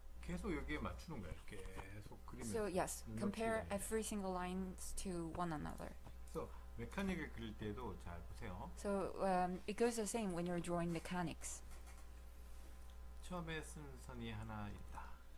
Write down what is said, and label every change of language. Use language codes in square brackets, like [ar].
[ko] 계속 여기에 맞추는 거야. 이렇게 계속 그림을 [en] So yes, compare every single lines to one another. So [ko] 메카닉을 그릴 때도 잘 보세요. [en] So it goes the same when you're drawing mechanics. [ko] 처음에 쓴 선이 하나 있다.